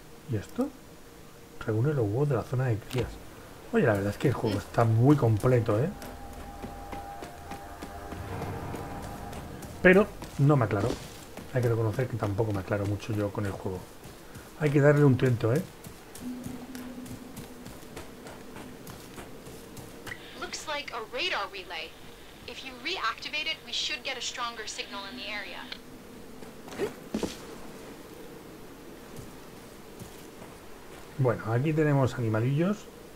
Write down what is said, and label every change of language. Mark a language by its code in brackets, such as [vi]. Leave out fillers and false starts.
[es] ¿Y esto? Reúne los huevos de la zona de crías. Oye, la verdad es que el juego está muy completo, ¿eh? Pero no me aclaro. Hay que reconocer que tampoco me aclaro mucho yo con el juego. Hay que darle un tiento, ¿eh? [en] Looks like a radar relay. If you reactivate it, we should get a stronger signal in the area. [es] Bueno, aquí tenemos animalillos.